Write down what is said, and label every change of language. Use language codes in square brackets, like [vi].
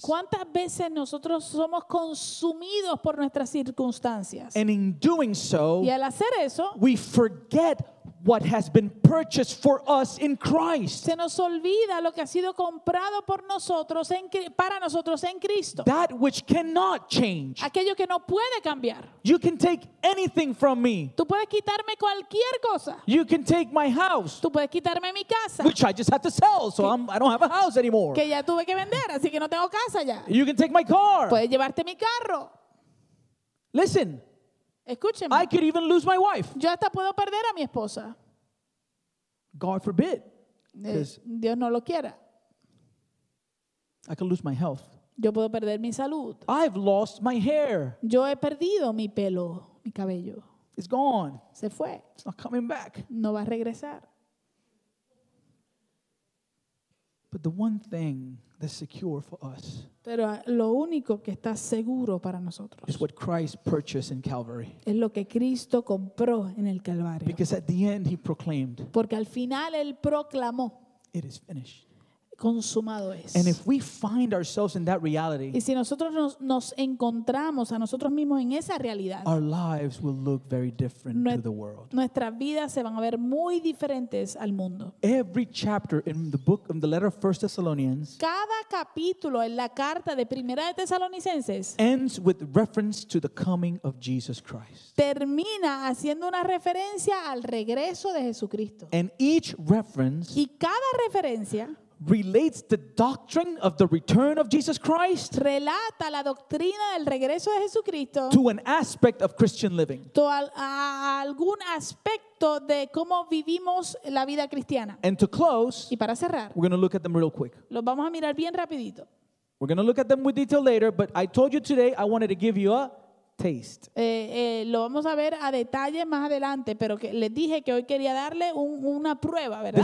[es] ¿Cuántas veces nosotros somos consumidos por nuestras circunstancias? [en] And in doing so, [es] y al hacer eso, [en] we forget what has been purchased for us in Christ. [es] Se nos olvida lo que ha sido comprado por nosotros en, para nosotros en Cristo. [en] That which cannot change. [es] Aquello que no puede cambiar. [en] You can take anything from me. [es] Tú puedes quitarme cualquier cosa. [en] You can take my house. [es] Tú puedes quitarme mi casa. [en] Which I just had to sell, so I don't have a house anymore. [es] Que ya tuve que vender, así que no tengo casa ya. [en] You can take my car. [es] Puedes llevarte mi carro. [en] Listen. [es] Escúcheme. [en] I could even lose my wife. [es] Yo hasta puedo perder a mi esposa. [en] God forbid. [es] Dios no lo quiera. [en] I could lose my health. [es] Yo puedo perder mi salud. [en] I've lost my hair. [es] Yo he perdido mi pelo, mi cabello. [en] It's gone. [es] Se fue. [en] It's not coming back. [es] No va a regresar. [en] But the one thing that's secure for us. [es] Pero lo único que está seguro para nosotros. [en] Is what Christ purchased in Calvary. [es] Es lo que Cristo compró en el Calvario. [en] Because at the end he proclaimed. [es] Porque al final él proclamó. [en] It is finished. [es] Consumado es. [en] And if we find ourselves in that reality. [es] Y si nosotros nos encontramos a nosotros mismos en esa realidad. [en] Our lives will look very different to the world. [es] Nuestras vidas se van a ver muy diferentes al mundo. [en] Every chapter in the book of the letter of 1 Thessalonians. [es] Cada capítulo en la carta de Primera de Tesalonicenses. [en] Ends with reference to the coming of Jesus Christ. [es] Termina haciendo una referencia al regreso de Jesucristo. [en] And each reference. [es] Y cada referencia. [en] Relates the doctrine of the return of Jesus Christ. [es] Relata la doctrina del regreso de Jesucristo. [en] To an aspect of Christian living. [es] A algún aspecto de cómo vivimos la vida cristiana. [en] And to close. [es] Y para cerrar. [en] We're going to look at them real quick. [es] Los vamos a mirar bien rapidito. [en] We're going to look at them with detail later, but I told you today I wanted to give you a taste. [es] Lo vamos a ver a detalle más adelante, pero que les dije que hoy quería darle una prueba, ¿verdad?